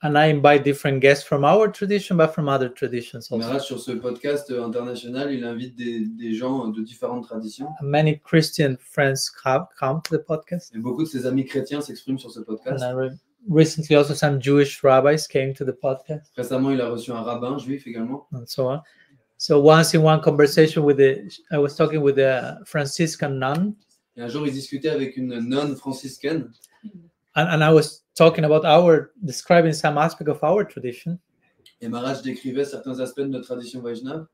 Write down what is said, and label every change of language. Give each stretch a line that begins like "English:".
English: And I invite different guests from our tradition, but from other traditions also.
French: Maharaj, sur ce podcast international, il invite des gens de différentes traditions.
English: And many Christian friends have come to the podcast.
French: Et beaucoup de ses amis chrétiens s'expriment sur ce podcast.
English: And recently also some Jewish rabbis came to the podcast.
French: Récemment, il a reçu un rabbin juif également.
English: And so on. So once in one conversation I was talking with a Franciscan nun.
French: Et un jour, il discutait avec une nonne franciscaine.
English: And I was talking about describing some aspect of our tradition.
French: Et Maharaj décrivait certains aspects de notre tradition Vaishnava.